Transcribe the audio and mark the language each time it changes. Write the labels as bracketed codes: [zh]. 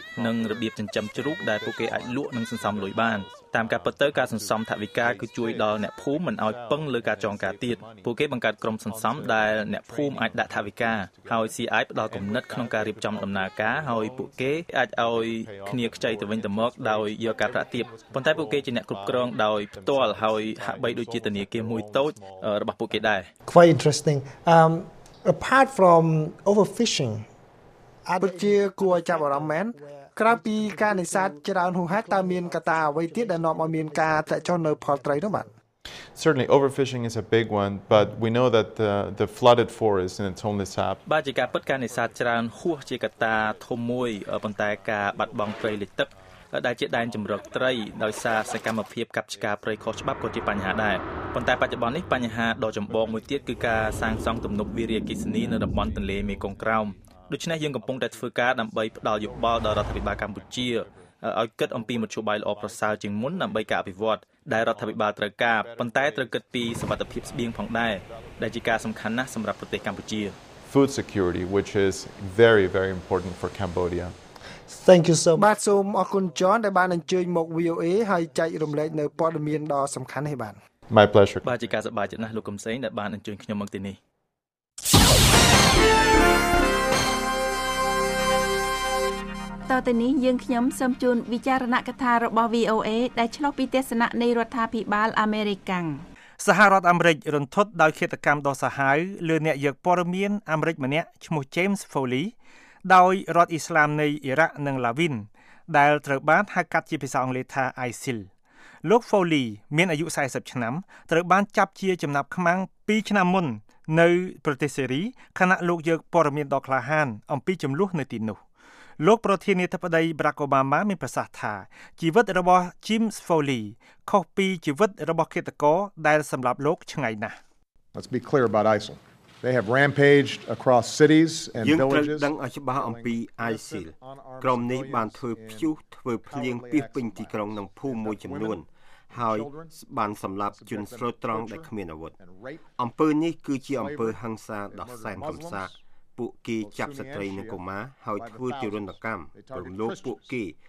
[km] និងរបៀបចិញ្ចឹមជ្រូកដែលពួកគេអាចលក់និងសន្សំលុយបានតាមការពិតទៅការសន្សំថវិកាគឺជួយដល់អ្នកភូមិមិនឲ្យពឹងលើការចងការទៀតពួកគេបង្កើតក្រុមសន្សំដែលអ្នកភូមិអាចដាក់ថវិកាហើយ CI ផ្ដល់គំនិតក្នុងការរៀបចំដំណើរការហើយពួកគេអាចឲ្យគ្នាខ្ចីទៅវិញទៅមកដោយយកការប្រាក់ទៀតប៉ុន្តែពួកគេជាអ្នកគ្រប់គ្រងដោយផ្ទាល់ហើយហាក់បីដូចជាធនាគារមួយតូចរបស់ពួកគេដែរ [en] Quite interesting apart from overfishing [km] ពិតជាគួរចាប់អារម្មណ៍មែនក្រៅពីការនេសាទច្រើនហួសហេតុតើមានកត្តាអ្វីទៀតដែលនាំឲ្យមានការធ្លាក់ចុះនៅផលត្រីនោះបាទ [en] Certainly overfishing is a big one but we know that the flooded forest and its homeless app [km] បាទជាការពិតការនេសាទច្រើនហួសជាកត្តាធំមួយប៉ុន្តែការបាត់បង់ព្រៃលិចទឹកដែលជាដែនជំរកត្រីដោយសារសកម្មភាពកាប់ឆ្ការព្រៃខុសច្បាប់ក៏ជាបញ្ហាដែរប៉ុន្តែបច្ចុប្បន្ននេះបញ្ហាដ៏ចម្បងមួយទៀតគឺការសាងសង់ទំនប់វារីអគ្គិសនីនៅតំបន់ទន្លេមេគង្គក្រោមដូច្នេះយើងកំពុងតែធ្វើការដើម្បីផ្ដល់យោបល់ដល់រដ្ឋាភិបាលកម្ពុជាឲ្យគិតអំពីមធ្យោបាយល្អប្រសើរជាងមុនដើម្បីការអភិវឌ្ឍដែលរដ្ឋាភិបាលត្រូវការប៉ុន្តែត្រូវគិតពីសមត្ថភាពស្បៀងផងដែរដែលជាការសំខាន់ណាស់សម្រាប់ប្រទេសកម្ពុជា [en] Food security which is very very important for Cambodia Thank you so much [km] សូមអរគុណ John ដែលបានអញ្ជើញមក VOA ហើយចែករំលែកនៅព័ត៌មានដ៏សំខាន់នេះបាទ [en] My pleasure [km] បាទជាការសប្បាយចិត្តណាស់លោកកំសែងដែលបានអញ្ជើញខ្ញុំមកទីនេះ តើទៅនេះយើងខ្ញុំសូមជូនវិចារណកថារបស់ VOA ដែលឆ្លុះពីទស្សនៈនៃរដ្ឋាភិបាលអាមេរិកាំង សហរដ្ឋអាមេរិករន្ធត់ដោយឃាតកម្មដ៏សាហាវលើអ្នកយកព័ត៌មានអាមេរិកម្នាក់ឈ្មោះ James Foley ដោយរដ្ឋអ៊ីស្លាមនៃអ៊ីរ៉ាក់និង Lavin ដែលត្រូវបានហៅកាត់ជាភាសាអង់គ្លេសថា ISIL លោក Foley មានអាយុ40ឆ្នាំត្រូវបានចាប់ជាចំណាប់ខ្មាំង2ឆ្នាំមុននៅប្រទេសសេរីខណៈលោកយកព័ត៌មានដ៏ក្លាហានអំពីចំនួននៅទីនោះ លោកប្រធានាធិបតីបារាក់អូបាម៉ាមានប្រសាសន៍ថាជីវិតរបស់ James Foley ខុសពីជីវិតរបស់ឃាតករដែលសម្លាប់លោកឆ្ងាយណាស់ [en] Let's be clear about ISIL. They have rampaged across cities and villages. [km] យើងត្រូវដឹងឲ្យច្បាស់អំពី ISIL. ក្រុមនេះបានធ្វើភ្យុះធ្វើភ្លៀងពាសពេញទីក្រុងនិងភូមិមួយចំនួនហើយបានសម្លាប់ជនស្លូតត្រង់ដែលគ្មានអាវុធ។អំពើនេះគឺជាអំពើហិង្សាដ៏សែនកំសាកពួកគេចាប់ស្ត្រីនិងកុមារហើយធ្វើទារុណកម្មរំលោភពួកគេ